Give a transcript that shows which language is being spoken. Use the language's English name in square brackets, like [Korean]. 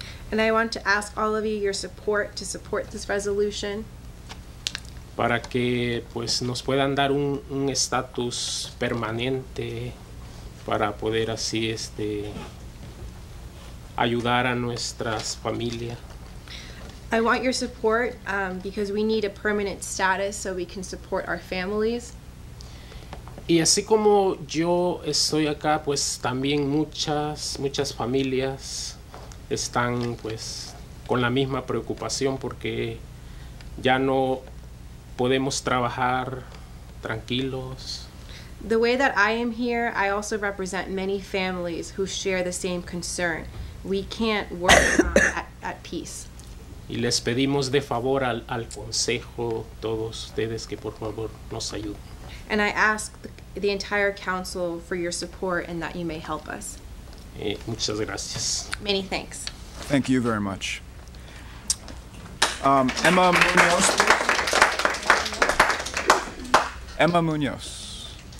[English] And I want to ask all of you your support to support this resolution. [Spanish] Para que pues nos puedan dar un estatus permanente para poder así ayudar a nuestras familias. [English] I want your support because we need a permanent status so we can support our families. [Spanish] Y así como yo estoy acá, pues también muchas familias están pues con la misma preocupación porque ya no podemos trabajar tranquilos. [English] The way that I am here, I also represent many families who share the same concern. We can't work at peace. [Spanish] Y les pedimos de favor al consejo, todos ustedes, que por favor nos ayuden. [English] And I ask the entire council for your support and that you may help us. [Spanish] Muchas gracias. [English] Many thanks. Thank you very much. Emma Munoz. Emma Munoz.